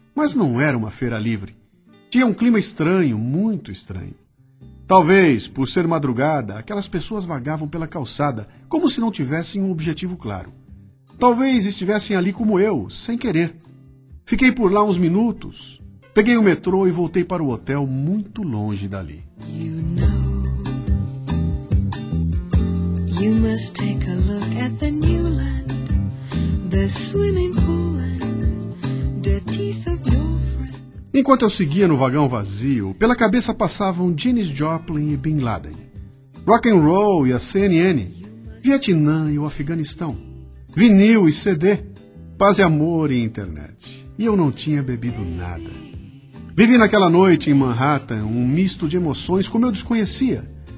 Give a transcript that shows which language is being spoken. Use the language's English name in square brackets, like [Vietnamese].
[Portuguese] Mas não era uma feira livre. Tinha um clima estranho, muito estranho. Talvez, por ser madrugada, aquelas pessoas vagavam pela calçada, como se não tivessem um objetivo claro. Talvez estivessem ali como eu, sem querer. Fiquei por lá uns minutos, peguei o metrô e voltei para o hotel muito longe dali. [English] You know, you must take a look at the new land, the swimming pool and the teeth of your friend. [Portuguese] Enquanto eu seguia no vagão vazio, pela cabeça passavam Janis Joplin e Bin Laden, rock and roll e a CNN, Vietnã e o Afeganistão. Vinil e CD, paz e amor e internet. E eu não tinha bebido nada. Vivi naquela noite em Manhattan um misto de emoções como eu desconhecia.